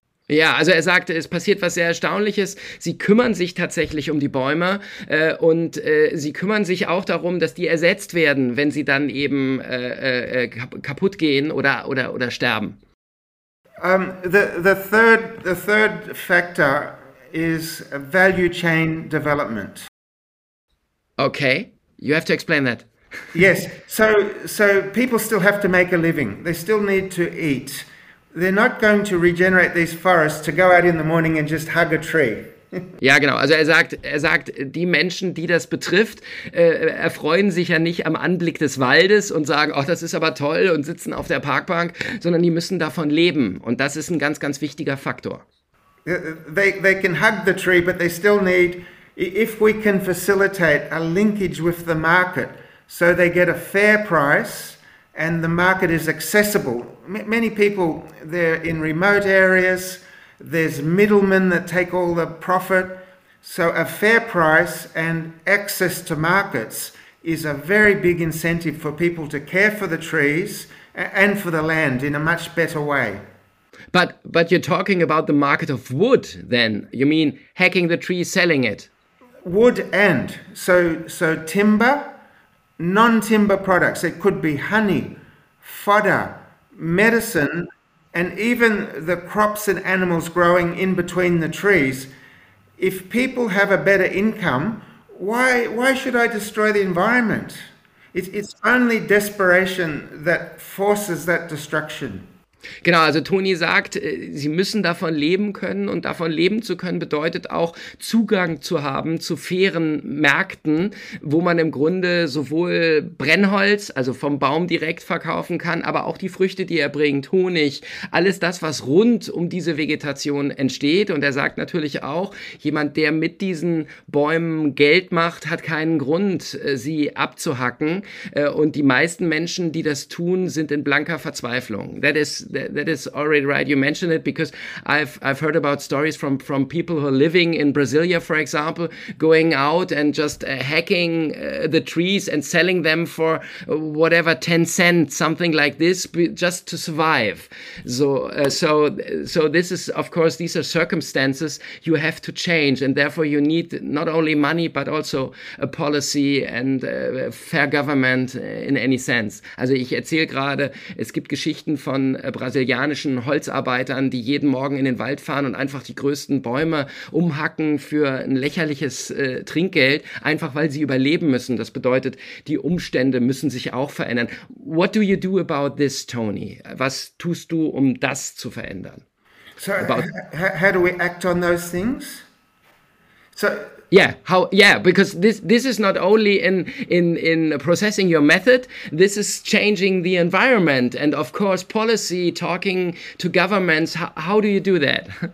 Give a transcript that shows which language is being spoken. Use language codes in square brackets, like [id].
[de] Ja, also er sagte, es passiert was sehr Erstaunliches. Sie kümmern sich tatsächlich um die Bäume und sie kümmern sich auch darum, dass die ersetzt werden, wenn sie dann eben kaputt gehen oder sterben. [en] The third factor is value chain development. Okay, you have to explain that. Yes, so people still have to make a living. They still need to eat. They're not going to regenerate these forests to go out in the morning and just hug a tree. [de] Ja, genau. Also er sagt, die Menschen, die das betrifft, erfreuen sich ja nicht am Anblick des Waldes und sagen, ach, das ist aber toll und sitzen auf der Parkbank, sondern die müssen davon leben. Und das ist ein ganz, ganz wichtiger Faktor. [en] They can hug the tree, but they still need, if we can facilitate a linkage with the market, so they get a fair price and the market is accessible. Many people, they're in remote areas. There's middlemen that take all the profit. So a fair price and access to markets is a very big incentive for people to care for the trees and for the land in a much better way. But you're talking about the market of wood then. You mean hacking the tree, selling it? Wood and. So timber, non-timber products. It could be honey, fodder, medicine, and even the crops and animals growing in between the trees. If people have a better income, why should I destroy the environment? It's only desperation that forces that destruction. [de] Genau, also Toni sagt, sie müssen davon leben können und davon leben zu können bedeutet auch Zugang zu haben zu fairen Märkten, wo man im Grunde sowohl Brennholz, also vom Baum direkt verkaufen kann, aber auch die Früchte, die er bringt, Honig, alles das, was rund um diese Vegetation entsteht. Und er sagt natürlich auch, jemand, der mit diesen Bäumen Geld macht, hat keinen Grund, sie abzuhacken. Und die meisten Menschen, die das tun, sind in blanker Verzweiflung. [en] That is already right. You mentioned it because I've heard about stories from people who are living in Brasilia, for example, going out and just hacking the trees and selling them for whatever 10 cents, something like this, just to survive. So this is, of course, these are circumstances you have to change, and therefore you need not only money but also a policy and fair government in any sense. [de] Also ich erzähle gerade, es gibt Geschichten von brasilianischen Holzarbeitern, die jeden Morgen in den Wald fahren und einfach die größten Bäume umhacken für ein lächerliches Trinkgeld, einfach weil sie überleben müssen. Das bedeutet, die Umstände müssen sich auch verändern. [en] What do you do about this, Tony? [de] Was tust du, um das zu verändern? [en] So, how do we act on those things? So, because this is not only in processing your method, this is changing the environment and of course policy, talking to governments. How do you do that?